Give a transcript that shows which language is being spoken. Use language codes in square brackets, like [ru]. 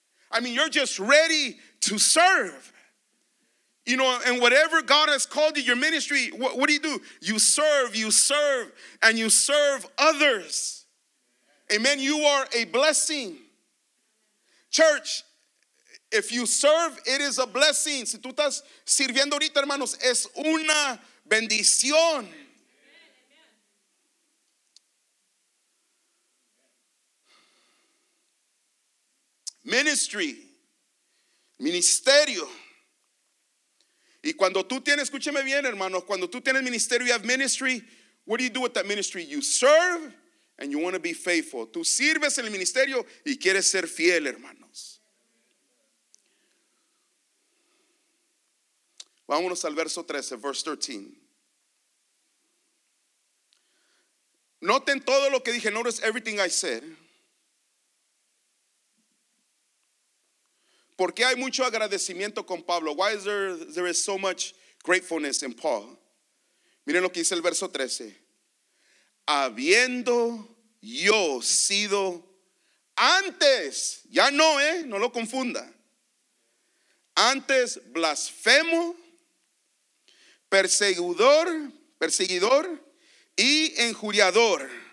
[en] I mean, you're just ready to serve. You know, and whatever God has called you, your ministry, what do? You serve, and you serve others. Amen. You are a blessing. Church, if you serve, it is a blessing. [es] Si tú estás sirviendo ahorita, hermanos, es una bendición. Ministry. Ministerio. Y cuando tú tienes, escúcheme bien, hermanos, cuando tú tienes ministerio, [en] you have ministry, what do you do with that ministry? You serve and you want to be faithful. [es] Tú sirves en el ministerio y quieres ser fiel, hermanos. Vámonos al verso 13, verse 13. Noten todo lo que dije, [en] notice everything I said. [es] ¿Por qué hay mucho agradecimiento con Pablo? [en] Why is there is so much gratefulness in Paul? [es] Miren lo que dice el verso 13. Habiendo yo sido antes, ya no, no lo confunda. Antes blasfemo, perseguidor y injuriador.